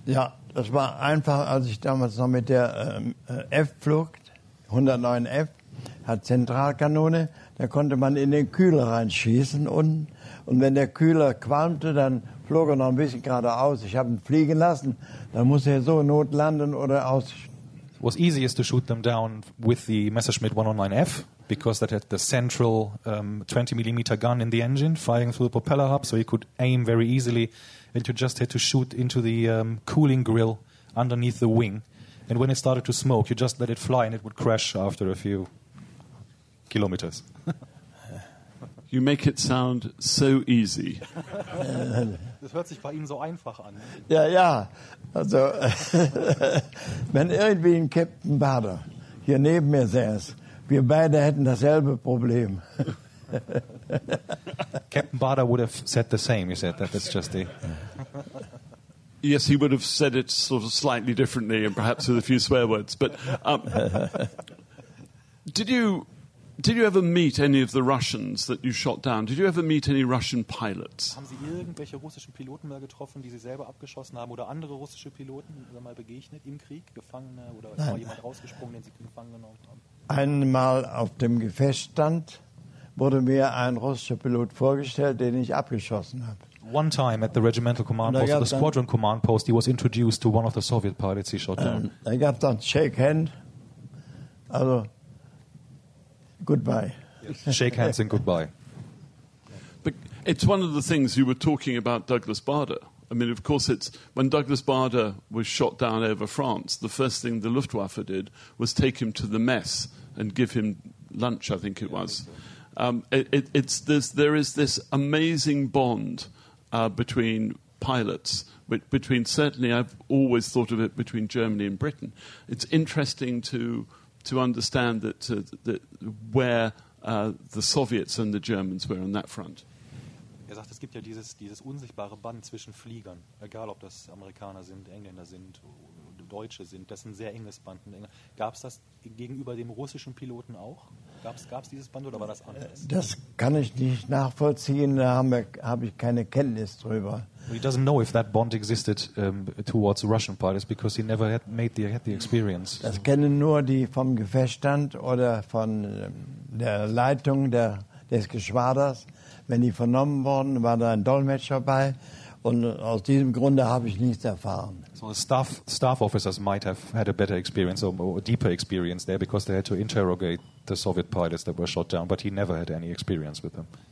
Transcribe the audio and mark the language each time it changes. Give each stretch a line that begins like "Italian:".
German: Ja, das war einfach, als ich damals noch mit der F-Flugt, 109F, hat Zentralkanone, da konnte man in den Kühler reinschießen unten. Und wenn der Kühler qualmte, dann flog er noch ein bisschen geradeaus. Ich habe ihn fliegen lassen. Dann musste er so notlanden oder aus.
English: Was easiest to shoot them down with the Messerschmitt 109F because that had the central 20mm gun in the engine firing through the propeller hub, so you could aim very easily, and you just had to shoot into the cooling grill underneath the wing, and when it started to smoke you just let it fly and it would crash after a few kilometers. You make it sound so easy.
German: Das hört sich bei Ihnen so einfach an. Ja. Also, wenn irgendwie ein Captain Bader hier neben mir säß, wir beide hätten dasselbe Problem.
English: Captain Bader would have said the same. You said that. That's just the. Yes, he would have said it sort of slightly differently and perhaps with a few swear words. But did you ever meet any of the Russians that you shot down? Did you ever meet any Russian pilots?
German: Haben Sie irgendwelche russischen Piloten mal getroffen, die Sie selber abgeschossen haben, oder andere russische Piloten mal begegnet im Krieg, Gefangene, oder ist mal jemand rausgesprungen, den Sie gefangen genommen haben? Einmal auf dem Gefechtsstand wurde mir ein russischer Pilot vorgestellt, den ich abgeschossen habe.
English: One time at the regimental command post, or the squadron command post, he was introduced to one of the Soviet pilots he shot down. I got to shake hand. Also, goodbye. Yes. Shake hands and goodbye. But it's one of the things you were talking about, Douglas Bader. I mean, of course, it's when Douglas Bader was shot down over France, the first thing the Luftwaffe did was take him to the mess and give him lunch, I think it was. There is this amazing bond between pilots, between certainly I've always thought of it between Germany and Britain. It's interesting to understand where the Soviets and the Germans were on that front.
German: Er sagt, es gibt ja dieses unsichtbare Band zwischen Fliegern, egal ob das Amerikaner sind, Engländer sind, Deutsche sind. Das ist ein sehr enges Band. Gab es das gegenüber dem russischen Piloten auch? Gab es dieses Band oder war das anders? Das kann ich nicht nachvollziehen. Da habe ich keine Kenntnis drüber.
English: He doesn't know if that bond existed towards Russian pilots because he never had the experience.
German: Das kennen nur die vom Gefechtsstand oder von der Leitung des Geschwaders. Wenn die vernommen wurden, war da ein Dolmetscher bei. Und aus diesem Grunde habe ich nichts erfahren.
English: So the staff officers might have had a better experience or a deeper experience there because they had to interrogate the Soviet pilots that were shot down, but he never had any experience with them.